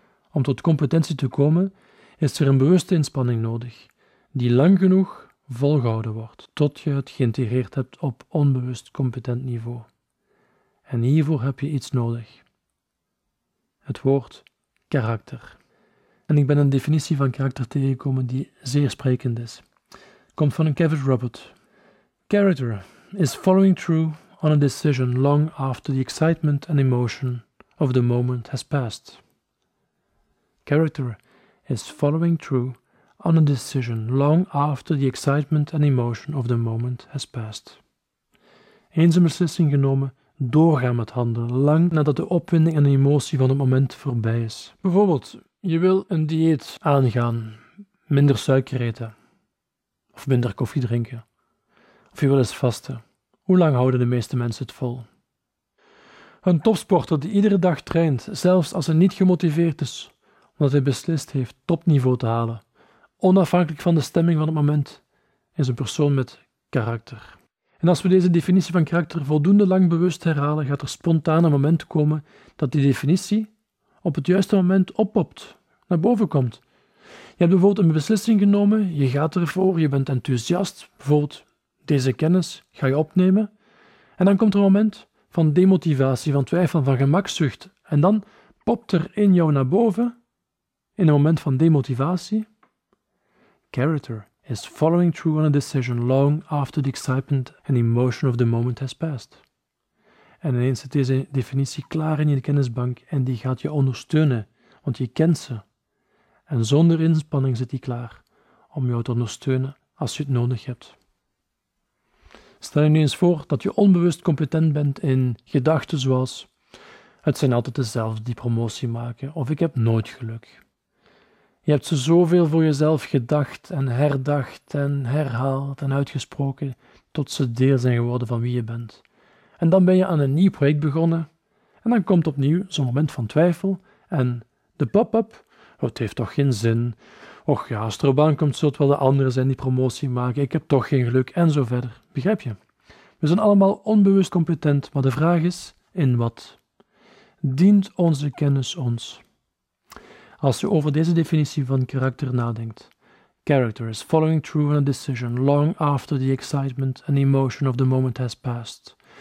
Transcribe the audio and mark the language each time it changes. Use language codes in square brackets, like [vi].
[nl] Om tot competentie te komen, is er een bewuste inspanning nodig, die lang genoeg volgehouden wordt, tot je het geïntegreerd hebt op onbewust competent niveau. En hiervoor heb je iets nodig. Het woord karakter. En ik ben een definitie van karakter tegengekomen die zeer sprekend is. Komt van een Kevin Robert. [en] Character is following through on a decision long after the excitement and emotion of the moment has passed. Character is following through on a decision long after the excitement and emotion of the moment has passed. [nl] Eens een beslissing genomen, doorgaan met handelen, lang nadat de opwinding en de emotie van het moment voorbij is. Bijvoorbeeld, je wil een dieet aangaan, minder suiker eten, of minder koffie drinken, of je wil eens vasten. Hoe lang houden de meeste mensen het vol? Een topsporter die iedere dag traint, zelfs als hij niet gemotiveerd is, omdat hij beslist heeft topniveau te halen, onafhankelijk van de stemming van het moment, is een persoon met karakter. En als we deze definitie van karakter voldoende lang bewust herhalen, gaat er spontaan een moment komen dat die definitie op het juiste moment oppopt, naar boven komt. Je hebt bijvoorbeeld een beslissing genomen, je gaat ervoor, je bent enthousiast, bijvoorbeeld deze kennis ga je opnemen. En dan komt er een moment van demotivatie, van twijfel, van gemakzucht. En dan popt er in jou naar boven, in een moment van demotivatie. [en] Character is following through on a decision long after the excitement and emotion of the moment has passed. [nl] En ineens zit deze definitie klaar in je kennisbank en die gaat je ondersteunen, want je kent ze. En zonder inspanning zit die klaar om jou te ondersteunen als je het nodig hebt. Stel je nu eens voor dat je onbewust competent bent in gedachten zoals het zijn altijd dezelfde die promotie maken of ik heb nooit geluk. Je hebt ze zoveel voor jezelf gedacht en herdacht en herhaald en uitgesproken tot ze deel zijn geworden van wie je bent. En dan ben je aan een nieuw project begonnen en dan komt opnieuw zo'n moment van twijfel en de pop-up, het heeft toch geen zin. Och ja, als er op aankomt, zult wel de anderen zijn die promotie maken. Ik heb toch geen geluk en zo verder. Begrijp je? We zijn allemaal onbewust competent, maar de vraag is, in wat? Dient onze kennis ons? Als je over deze definitie van karakter nadenkt. [en] Character is following through on a decision long after the excitement and emotion of the moment has passed.